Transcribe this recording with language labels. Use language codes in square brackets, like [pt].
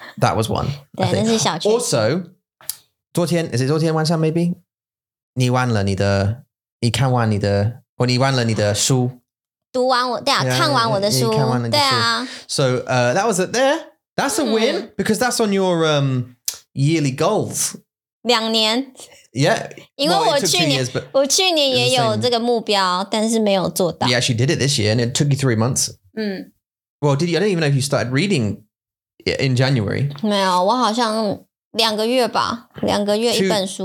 [en] That was one. Also, 昨天, is it [zh] 昨天晚上 [en] maybe? [zh] 你看完你的书。读完我的书。 [en] So that was it there. That's a win because that's on your yearly goals. [zh] 2年。 [en] Yeah. [zh] 因为我去年也有这个目标，但是没有做到。 [en] You actually did it this year and it took you 3 months. Well, did you? I don't even know if you started reading in January. [zh] 没有，我好像两个月吧，两个月一本书。